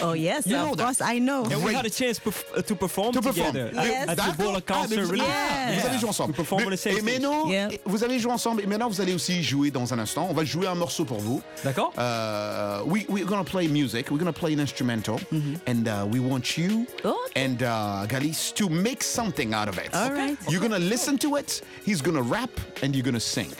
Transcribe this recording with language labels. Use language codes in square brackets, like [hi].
[en] Oh yes, you of course that. I know. And we had a chance to perform together. Yes. At the Bola concert. [fr] Ah, vous avez joué ensemble. [en] Perform on the same stage. [fr] Vous avez joué ensemble. Et maintenant, vous allez aussi jouer dans un instant. On va jouer un morceau pour vous. D'accord. [en] We're going to play music. We're going to play an instrumental. And we want you and Galice to make something out of it. All right. You're going to listen to it. He's going to rap and you're going to sing.